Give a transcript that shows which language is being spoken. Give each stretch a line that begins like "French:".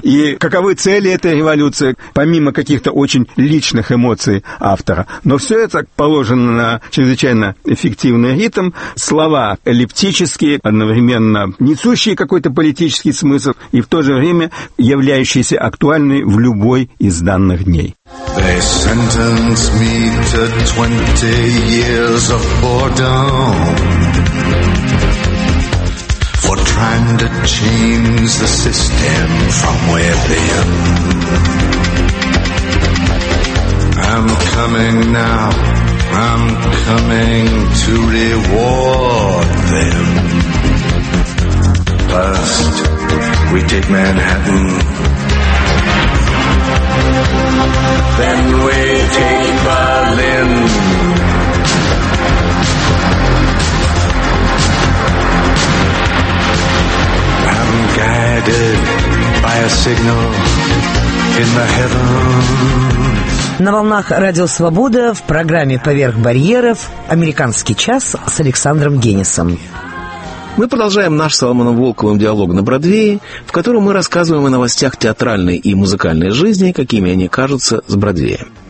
Russian: И каковы цели этой революции, помимо каких-то очень личных эмоций автора. Но все это положено на чрезвычайно эффективный ритм. Слова эллиптические, одновременно несущие какой-то политический смысл и в то же время являющиеся актуальной в любой из данных дней.
English: They sentenced me to 20 years of boredom for trying to change the system from within. I'm coming now, I'm coming to reward them. First, we take Manhattan. Then we take Berlin. I'm guided by a signal in the heavens.
Russian: На волнах Радио Свобода в программе «Поверх барьеров» «Американский час» с Александром Генисом. Мы продолжаем наш с Соломоном Волковым диалог на Бродвее, в котором мы рассказываем о новостях театральной и музыкальной жизни, какими они кажутся с Бродвея.